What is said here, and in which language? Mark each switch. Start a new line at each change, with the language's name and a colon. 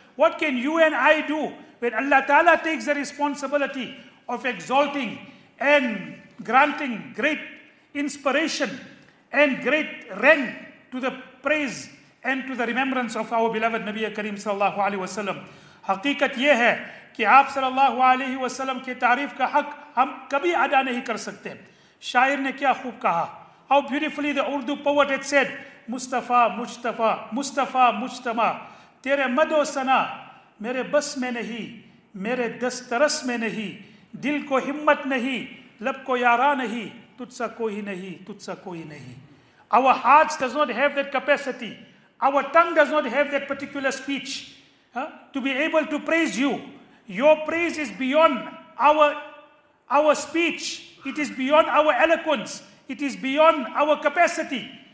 English: What can you and I do when Allah Ta'ala takes the responsibility of exalting and granting great inspiration and great rank to the praise and to the remembrance of our beloved Nabi Kareem sallallahu alayhi wa sallam.
Urdu: حقیقت یہ ہے کہ آپ صلی اللہ علیہ وسلم کی تعریف کا حق ہم کبھی ادا نہیں کر سکتے. شاعر نے کیا خوب کہا,
English: How beautifully the Urdu poet had said,
Urdu: مصطفیٰ مجتفیٰ مصطفیٰ مجتمع, تیرے مد و ثنا میرے بس میں نہیں, میرے دسترس میں نہیں, دل کو ہمت نہیں, لب کو یارہ نہیں, تجھ سا کوئی نہیں, تجھ سا کوئی نہیں.
English: Our hearts does not have that capacity, our tongue does not have that particular speech to be able to praise you. Your praise is beyond our speech. It is beyond our eloquence. It is beyond our capacity.